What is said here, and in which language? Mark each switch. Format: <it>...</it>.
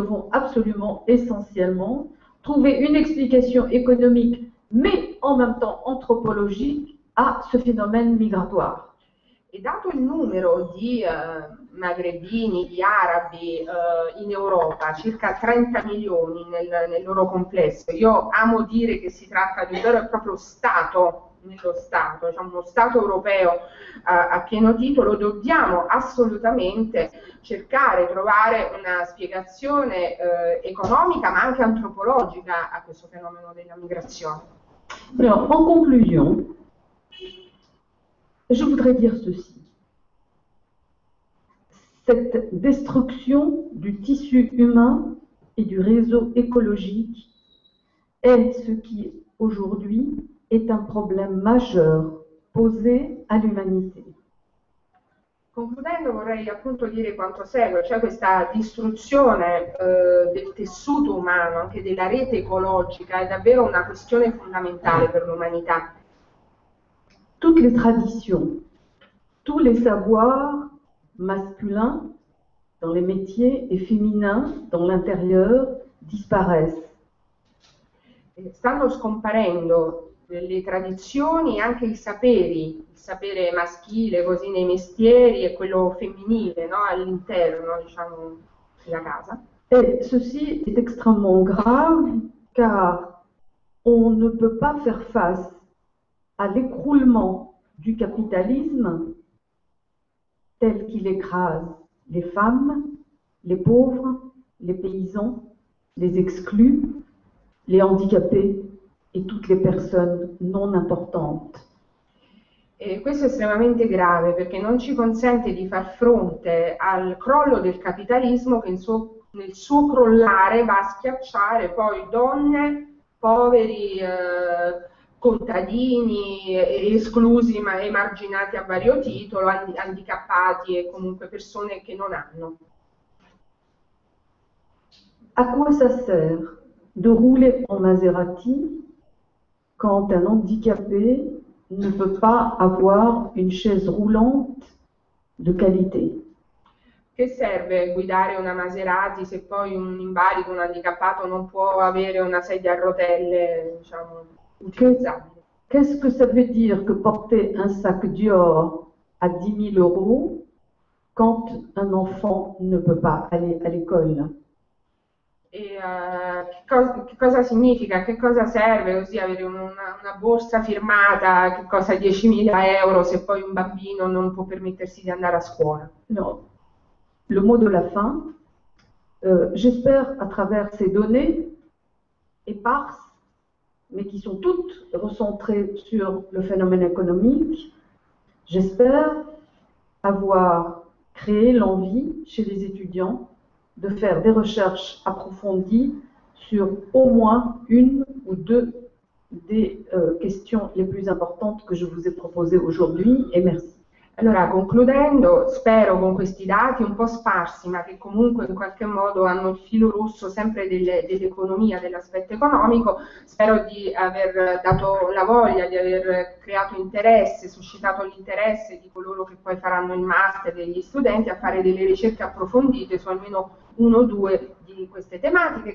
<fr>absolument, essentiellement, trouver une explication économique, mais en même temps anthropologique à ce phénomène migratoire.</fr> <it>E dato il numero di maghrebini, di arabi in Europa, circa 30 milioni nel loro complesso, io amo dire che si tratta di un vero e proprio stato, nello stato, cioè uno stato europeo a pieno titolo, dobbiamo assolutamente cercare, trovare una spiegazione economica, ma anche antropologica a questo fenomeno della migrazione.</it> <fr>Alors, en conclusion, je voudrais dire ceci. Cette destruction du tissu humain et du réseau écologique est ce qui, aujourd'hui, est un problème majeur posé à l'humanité.</fr> <it>Concludendo, vorrei appunto dire quanto segue, cioè questa distruzione del tessuto umano, anche della rete ecologica, è davvero una questione fondamentale per l'umanità.</it> <fr>Toutes les traditions, tous les savoirs masculins dans les métiers et féminins dans l'intérieur disparaissent.</fr> <it>Stanno scomparendo le tradizioni, anche i saperi, il sapere maschile, così nei mestieri e quello femminile, no? All'interno, diciamo, della casa.</it> <fr>Et ceci est extrêmement grave car on ne peut pas faire face à l'écroulement du capitalisme tel qu'il écrase les femmes, les pauvres, les paysans, les exclus, les handicapés et toutes les personnes non importantes.</fr> <it>E questo è estremamente grave perché non ci consente di far fronte al crollo del capitalismo che nel suo crollare va a schiacciare poi donne, poveri, contadini, esclusi, ma emarginati a vario titolo, handicappati e comunque persone che non hanno.</it> <fr>À quoi ça sert de rouler en Maserati quand un handicapé ne peut pas avoir une chaise roulante de qualité?</fr> <it>Che serve guidare una Maserati se poi un invalido, un handicappato non può avere una sedia a rotelle, diciamo, utilizzabile?</it> <fr>Qu'est-ce que ça veut dire que porter un sac Dior à 10 000 euros quand un enfant ne peut pas aller à l'école?</fr> <it>Che cosa significa, che cosa serve così avere una borsa firmata che costa 10.000 euro se poi un bambino non può permettersi di andare a scuola?</it> <fr>No, le mot de la fin, j'espère à travers ces données éparses, mais qui sont toutes recentrées sur le phénomène économique, j'espère avoir créé l'envie chez les étudiants de faire des recherches approfondies sur au moins une ou deux des questions les plus importantes que je vous ai proposées aujourd'hui et merci.</fr> <it>Allora, concludendo, spero con questi dati un po' sparsi, ma che comunque in qualche modo hanno il filo rosso sempre dell'economia, dell'aspetto economico, spero di aver dato la voglia, di aver creato interesse, suscitato l'interesse di coloro che poi faranno il master e degli studenti a fare delle ricerche approfondite su almeno uno o due di queste tematiche.</it>